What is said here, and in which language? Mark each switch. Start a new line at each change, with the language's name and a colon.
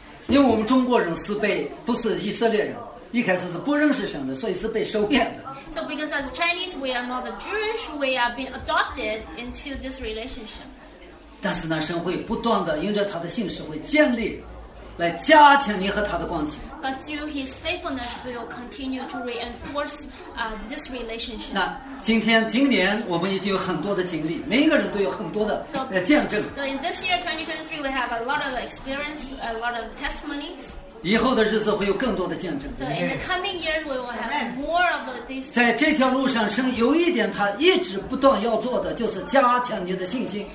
Chinese: 因为我们中国人是被不是以色列人，一开始是不认识神的，所以是被收养的。
English: So because as Chinese we are not Jewish, we are being adopted into this relationship.
Chinese: 但是呢，神会不断的因着他的信实会建立。来加强你和他的关系。
English: But through his faithfulness, we will continue to reinforce this relationship.
Chinese: 那今天今年我们已经有很多的经历，每一个人都有很多的见证。
English: So in this year 2023, we have a lot of experience, a lot of testimonies.
Chinese: 以后的日子会有更多的见证。
English: So in the coming years, we will have more of this.
Chinese: 在这条路上，神有一点他一直不断要做的，就是加强你的信心。